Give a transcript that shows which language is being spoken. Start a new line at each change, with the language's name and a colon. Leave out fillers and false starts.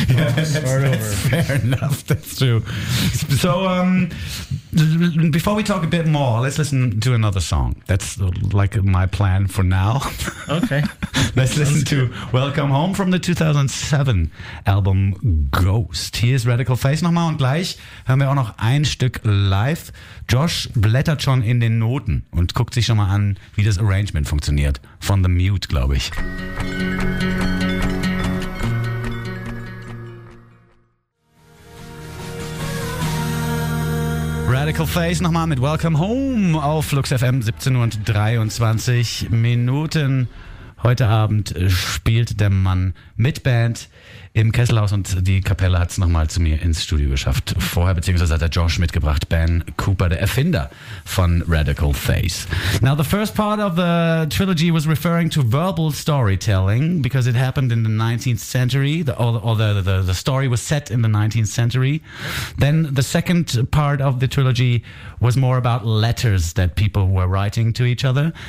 English: Yeah, that's, start that's over. Fair enough. That's true. So, before we talk a bit more, let's listen to another song. That's like my plan for now. Okay. Let's listen to Welcome Home from the 2007 album Ghost.
German: Hier ist Radical Face nochmal, und gleich hören wir auch noch ein Stück live. Josh blättert schon in den Noten und guckt sich schon mal an, wie das Arrangement funktioniert. Von The Mute, glaube ich. Radical Face nochmal mit Welcome Home auf Lux FM, 17:23. Heute Abend spielt der Mann mit Band im Kesselhaus, und die Kapelle hat es nochmal zu mir ins Studio geschafft. Vorher, beziehungsweise hat er Josh mitgebracht, Ben Cooper, der Erfinder von Radical Face.
English: Now, the first part of the trilogy was referring to verbal storytelling, because it happened in the 19th century, the story was set in the 19th century. Then the second part of the trilogy was more about letters that people were writing to each other.